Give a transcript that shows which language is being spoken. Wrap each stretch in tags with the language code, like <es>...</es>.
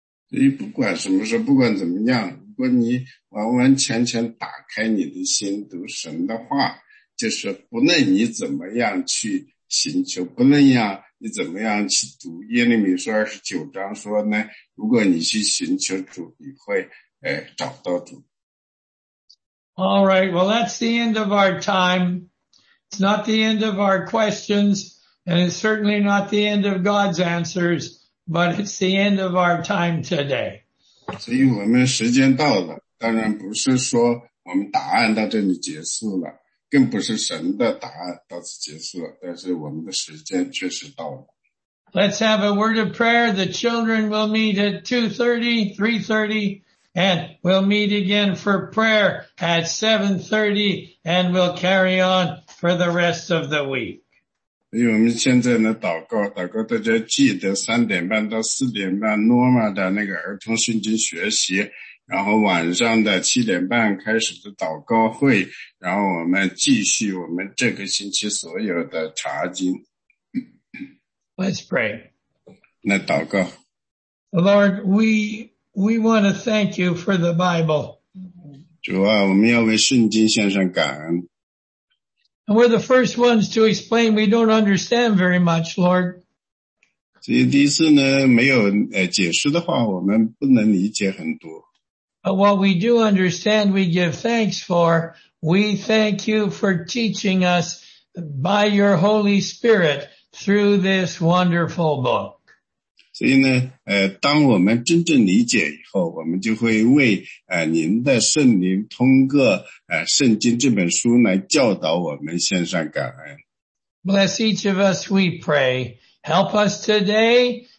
<zh>所以不管什么事不管怎么样如果你完完全全打开你的心读神的话，就是不论你怎么样去寻求，不论你怎么样去读耶利米书29章说呢，如果你去寻求主，你会找到主。</zh> <en>All right, well, that's the end of our time. It's not the end of our questions, and it's certainly not the end of God's answers, but it's the end of our time today.</en> <zh>所以我们时间到了，当然不是说我们答案到这里结束了，更不是神的答案到此结束了，但是我们的时间确实到了。</zh> <en>Let's have a word of prayer. The children will meet at 2:30, 3:30. And we'll meet again for prayer at 7:30 and we'll carry on for the rest of the week.</en> <zh>所以我们现在呢祷告，祷告大家记得3:30到4:30 Norma 的那个儿童圣经学习，然后晚上的7:30开始的祷告会，然后我们继续我们这个星期所有的查经。</zh> <en>Let's pray.</en> <zh>那祷告。</zh> <en>Lord, we want to thank you for the Bible.</en> <zh>主啊，我们要为圣经献上感恩。</zh> <en>We're the first ones to explain we don't understand very much, Lord.</en> <zh>所以第一次呢，没有解释的话，我们不能理解很多。</zh> <en>But what we do understand, we give thanks for. We thank you for teaching us by your Holy Spirit through this wonderful book.</en> <zh>所以呢当我们真正理解以后，我们就会为您的圣灵通过圣经这本书来教导我们献上感恩。</zh> <en>Bless each of us, we pray. Help us today.</en>